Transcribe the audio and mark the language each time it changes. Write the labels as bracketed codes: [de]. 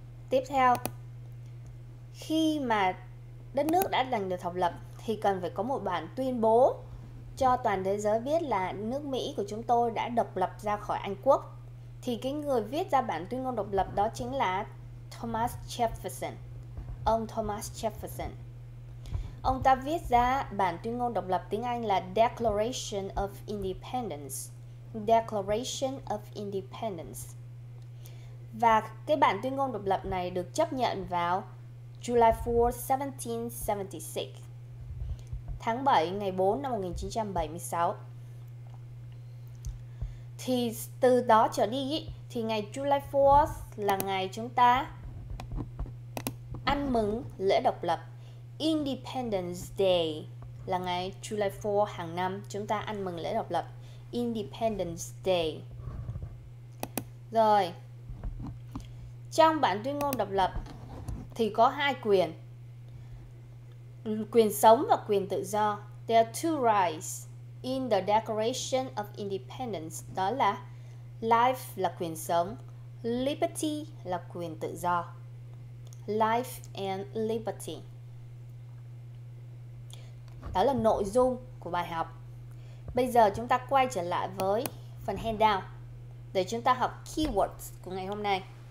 [vi] Tiếp theo, khi mà đất nước đã giành được độc lập thì cần phải có một bản tuyên bố cho toàn thế giới biết là nước Mỹ của chúng tôi đã độc lập ra khỏi Anh quốc. Thì cái người viết ra bản tuyên ngôn độc lập đó chính là Thomas Jefferson. Ông Thomas Jefferson, ông ta viết ra bản tuyên ngôn độc lập tiếng Anh là Declaration of Independence. [en] Declaration of Independence. [vi] Và cái bản tuyên ngôn độc lập này được chấp nhận vào July 4, 1776, tháng 7, ngày 4 năm 1976. Thì từ đó trở đi thì ngày July 4 là ngày chúng ta ăn mừng lễ độc lập. Independence Day là ngày July 4 hàng năm chúng ta ăn mừng lễ độc lập, Independence Day. Rồi, trong bản tuyên ngôn độc lập thì có hai quyền: quyền sống và quyền tự do. [en] There are two rights in the Declaration of Independence. [vi] Đó là life là quyền sống, liberty là quyền tự do. [en] Life and liberty. [vi] Đó là nội dung của bài học. Bây giờ chúng ta quay trở lại với phần handout để chúng ta học keywords của ngày hôm nay.